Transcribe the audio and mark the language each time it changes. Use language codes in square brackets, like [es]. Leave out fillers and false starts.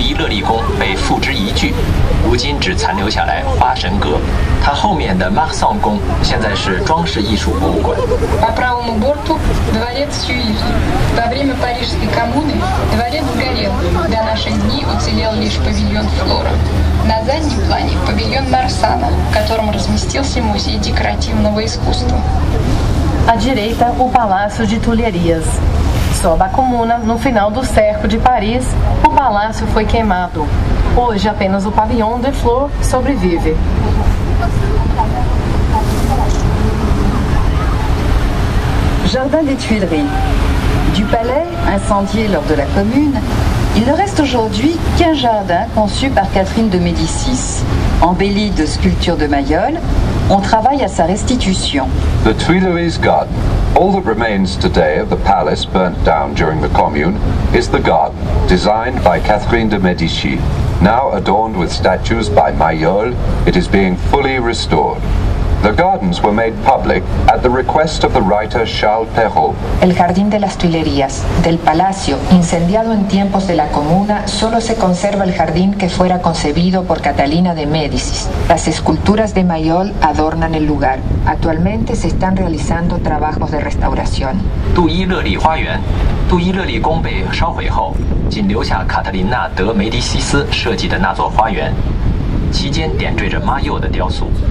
[zh] 乐利宫被付之一炬，如今只残留下来花神阁，它后面的 Marsong 宫现在是装饰艺术博物馆。 [ru] По правому борту дворец Сюиль. Во время парижской коммуны дворец сгорел. До наших дней уцелел лишь павильон Флора. На заднем плане павильон Марсана, в котором разместился музей декоративного искусства. [pt] À direita, o Palácio de Tuileries. Sob a comuna, no final do cerco de Paris, o palácio foi queimado. Hoje, apenas o pavilhão de Flor sobrevive. [fr] Jardin des Tuileries. Du palais, incendié lors de la commune, il ne reste aujourd'hui qu'un jardin conçu par Catherine de Médicis, embelli de sculptures de Mayol. On travaille à sa restitution. [en] The Tuileries garden. All that remains today of the palace burnt down during the commune is the garden, designed by Catherine de Medici. Now adorned with statues by Mayol, it is being fully restored. The gardens were made public at the request of the writer Charles Perrault. [es] El jardín de las Tuilerías, del palacio, incendiado en tiempos de la comuna, solo se conserva el jardín que fuera concebido por Catalina de Médicis. Las esculturas de Mayol adornan el lugar. Actualmente se están realizando trabajos de restauración. [zh] Tuileries花园, Tuileries宫被烧毁后, 仅留下卡特琳娜·德·梅迪西斯设计的那座花园, 期间点缀着马佑的雕塑。